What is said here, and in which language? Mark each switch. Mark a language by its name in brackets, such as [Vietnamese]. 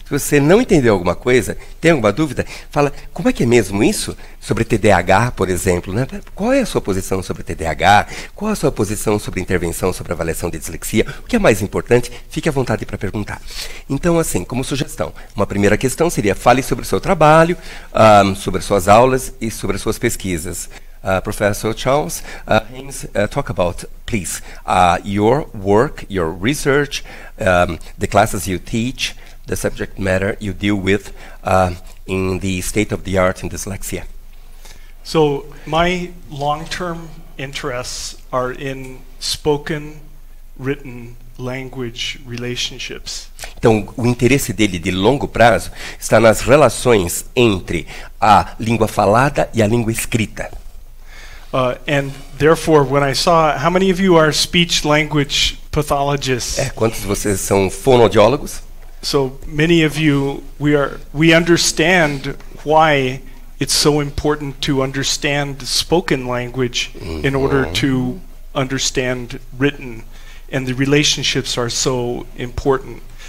[Portuguese] Se você não entendeu alguma coisa, tem alguma dúvida, fala, como é que é mesmo isso sobre TDAH, por exemplo? Né? Qual é a sua posição sobre TDAH? Qual a sua posição sobre intervenção, sobre avaliação de dislexia? O que é mais importante? Fique à vontade para perguntar. Então, assim, como sugestão, uma primeira questão seria, fale sobre o seu trabalho, sobre suas aulas e sobre suas pesquisas. [English] Professor Charles, Haynes, talk about, please, your work, your research, the classes you teach, the subject matter you deal with in the state of the art in dyslexia. So my long-term interests are in spoken, written language relationships. [Portuguese] Então, o interesse dele de longo prazo está nas relações entre a língua falada e a língua escrita. [English] And therefore, when I saw, how many of you are speech language pathologists? [Portuguese] Quantos de vocês são fonoaudiólogos? [English] So many of you, we understand why it's so important to understand spoken language in order to understand written, and the relationships are so important.